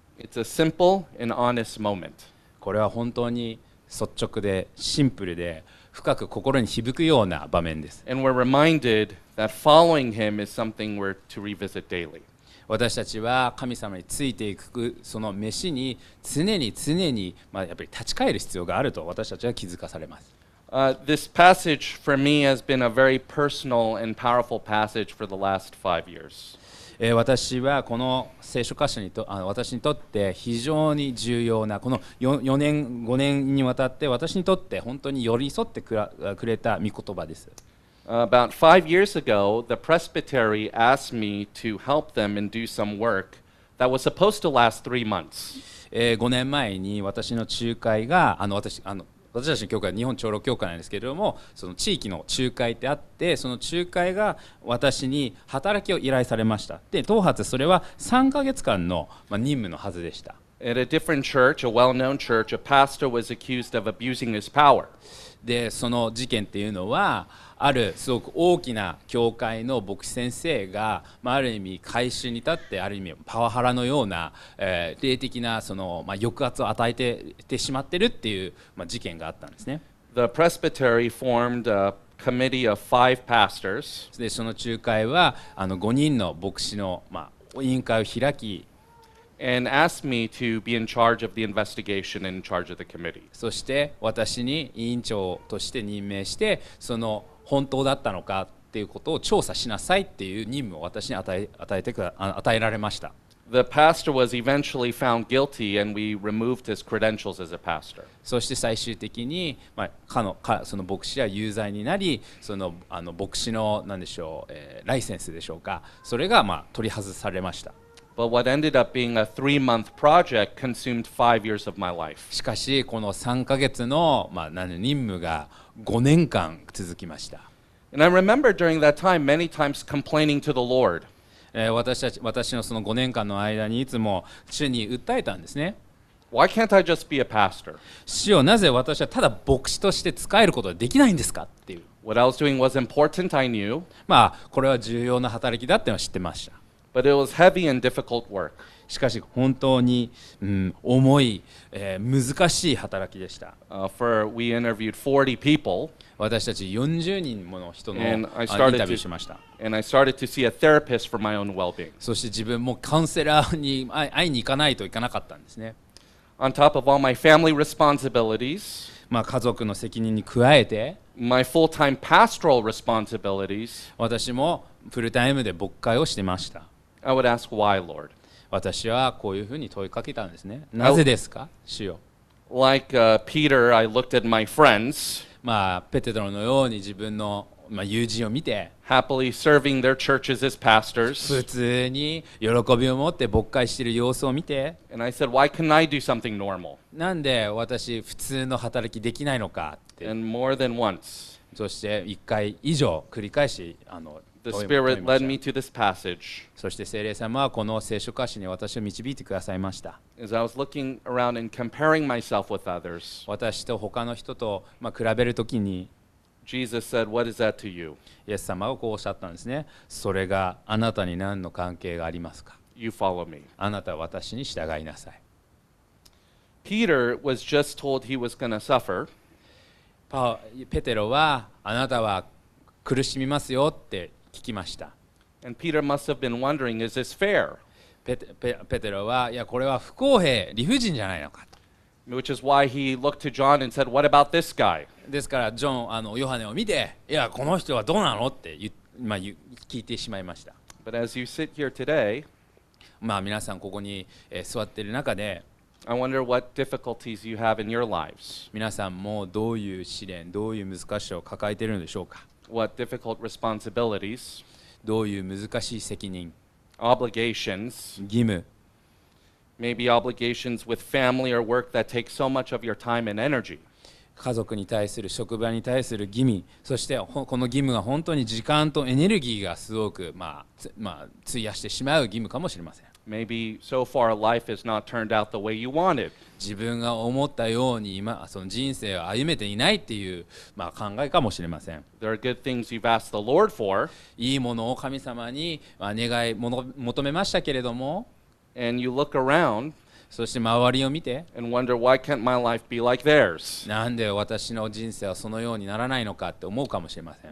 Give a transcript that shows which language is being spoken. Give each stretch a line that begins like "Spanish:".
English: It's a simple and honest moment.
Japanese: これは本当に率直でシンプルで深く心に響くような場面です。
English: And we're reminded that following him is something we're to revisit daily.
Japanese: 私たちは神様についていくその飯に常に、やっぱり立ち返る必要があると私たちは気づかされます。
English: This passage for me has been a very personal and powerful passage for the last 5 years.
Japanese: 私はこの聖書箇所にと私にとって非常に重要なこの 4年5年にわたって私にとって本当に寄り添ってくれた御言葉です。
English: About 5 years ago, the presbytery asked me to help them and do some work that was supposed to last 3 months.
Japanese: 5年前に私の仲介が私たちの教会は日本長老教会なんですけれども、その地域の仲介ってあって、その仲介が私に働きを依頼されました。で、当初それは3ヶ月間の任務のはずでした。
English: At a different church, a well-known church, a pastor was accused of abusing his power.
Japanese: で、その事件っていうのは、あるすごく大きな教会の牧師先生が、まあ、ある意味改宗に立って、ある意味パワハラのような、霊的なその、まあ、抑圧を与えてしまってるっていう、まあ、事件があったんですね。
English: The presbytery formed a committee of five pastors.
Japanese: で、その仲介は、あの5人の牧師の、まあ、委員会を開き、
English: And asked me to be in charge of the investigation and in charge of the committee.
Japanese: そして私に委員長として任命して、その本当だったのかっていうことを調査しなさいっていう任務を私に与えられました。
English: The pastor was eventually found guilty and we removed his credentials as a pastor.
Japanese: そして最終的に、まあ、その牧師は有罪になり、あの牧師の何でしょう、ライセンスでしょうか、それが、まあ、取り外されました。
English: But what ended up being a three-month project consumed 5 years of my life.
Japanese: しかしこの3ヶ月の、まあ、任務が5年間続きました。
English: And I remember during that time many times complaining to the Lord.
Japanese: 私のその5年間の間にいつも主に訴えたんですね。
English: Why can't I just be a pastor?
Japanese: 主よ、なぜ私はただ牧師として仕えることができないんですかっていう。
English: What I was doing was important, I knew.
Japanese: まあこれは重要な働きだっては知ってました。
English: But it was heavy and difficult work.
Japanese: しかし本当に、うん、重い、難しい働きでした。
English: We interviewed 40 people.
Japanese: 私たち40人もの人のインタビューしました。
English: And I started to see a therapist for my own well-being.
Japanese: そして自分もカウンセラーに会いに行かないといかなかったんですね。
English: On top of all my family responsibilities.
Japanese: まあ家族の責任に加えて。
English: My full-time pastoral responsibilities.
Japanese: 私もフルタイムで牧会をしてました。
English: I would ask why, Lord.
Japanese: 私はこういうふうに問いかけたんですね。なぜですか、主よ。
English: Like, Peter, I looked at my friends.
Japanese: まあ、ペテロのように自分の、まあ、友人を見て、
English: happily serving their churches as pastors.
Japanese: 普通に喜びを持って牧会している様子を見て、
English: and I said, why can't I do something normal?
Japanese: なんで私普通の働きできないのかって。
English: And more than once.
Japanese: そして一回以上繰り返し、あの、
English: The Spirit led me to this passage.
Japanese: そして聖霊様はこの聖書箇所に私を導いてくださいました。
English: As I was looking around and comparing myself with others,
Japanese: 私と他の人と、まあ、比べるときに、
English: Jesus said, "What is that to you?"
Japanese: イエス様はこうおっしゃったんですね。それがあなたに何の関係がありますか。
English: You follow me.
Japanese: あなたは私に従いなさい。
English: Peter was just told he was going to suffer.
Japanese: ペテロはあなたは苦しみますよって。聞きました。
English: And Peter must have been wondering, is this fair?
Japanese: ペテロは、いや、これは不公平、理不尽じゃないのかと。
English: Which is why he looked to John and said, what about this guy?
Japanese: ですから、ジョン、ヨハネを見て、いや、この人はどうなのって、まあ、聞いてしまいました。
English: But as you sit here today,
Japanese: まあ、皆さんここに、座っている中で、
English: I wonder what difficulties you have in your lives.
Japanese: 皆さんもどういう試練、どういう難しさを抱えているのでしょうか。
English: What difficult responsibilities?
Japanese: どういう難しい責任?
English: Obligations?
Japanese: 義務?
English: Maybe obligations with family or work that take so much of your time and energy.
Japanese: 家族に対する、職場に対する義務、そしてこの義務が本当に時間とエネルギーがすごく、費やしてしまう義務かもしれません。
English: Maybe so far life has not turned out the way you wanted.
Japanese: 自分が思ったように今その人生を歩めていないっていう、まあ、考えかもしれません。
English: There are good things you've asked the Lord for.
Japanese: いいものを神様に願い求めましたけれども。
English: And you look around.
Japanese: そして周りを見て。
English: And wonder why can't my life be like theirs?
Japanese: なんで私の人生はそのようにならないのかって思うかもしれません。